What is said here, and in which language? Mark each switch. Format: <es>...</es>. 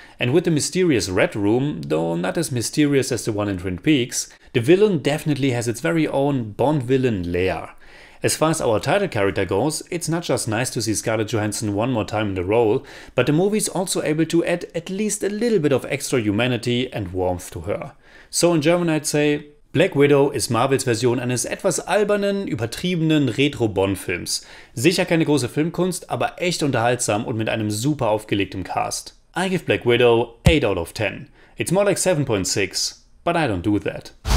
<en>And with the mysterious Red Room, though not as mysterious as the one in Twin Peaks, the villain definitely has its very own Bond villain lair. As far as our title character goes, it's not just nice to see Scarlett Johansson one more time in the role, but the movie is also able to add at least a little bit of extra humanity and warmth to her. So in German I'd say,</en> <de>Black Widow ist Marvels Version eines etwas albernen, übertriebenen Retro-Bond-Films. Sicher keine große Filmkunst, aber echt unterhaltsam und mit einem super aufgelegtem Cast.</de> <en>I give Black Widow 8 out of 10. It's more like 7.6, but I don't do that.</en>